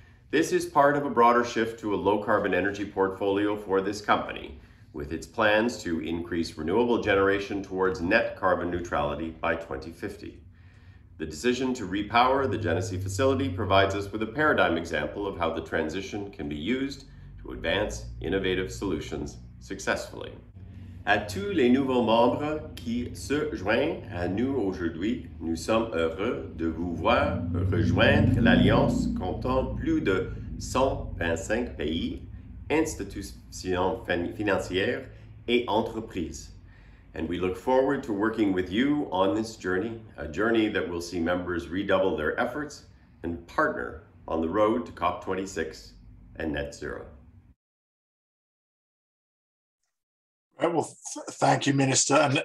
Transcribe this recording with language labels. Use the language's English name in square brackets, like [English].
[English] This is part of a broader shift to a low-carbon energy portfolio for this company, with its plans to increase renewable generation towards net carbon neutrality by 2050. The decision to repower the Genesee facility provides us with a paradigm example of how the transition can be used to advance innovative solutions successfully. [French] À tous les nouveaux membres qui se joignent à nous aujourd'hui, nous sommes heureux de vous voir rejoindre l'Alliance comptant plus de 125 pays, institutions financières et entreprises. [English] And we look forward to working with you on this journey, a journey that will see members redouble their efforts and partner on the road to COP26 and net zero. Well, thank you, Minister.